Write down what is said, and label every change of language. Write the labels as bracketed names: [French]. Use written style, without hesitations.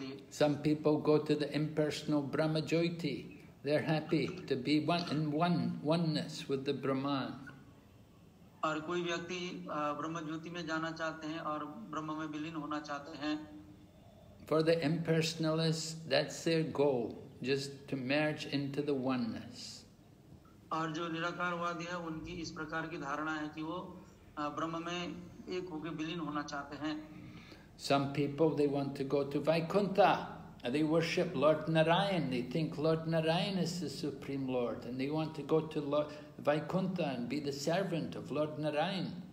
[English] Some people go to the impersonal Brahma Jyoti, They're happy to be one in one oneness with the Brahman. [Hindi] और कोई व्यक्ति ब्रह्म ज्योति में जाना चाहते हैं और ब्रह्म में विलीन होना चाहते हैं. [English] For the impersonalists, that's their goal, just to merge into the oneness. [Hindi] और जो निराकारवादी है उनकी इस प्रकार की धारणा है कि वो ब्रह्म में एक होकर विलीन होना चाहते हैं. [English] Some people, they want to go to Vaikuntha. They worship Lord Narayan. They think Lord Narayan is the Supreme Lord. And they want to go to Lord Vaikuntha and be the servant of Lord Narayan.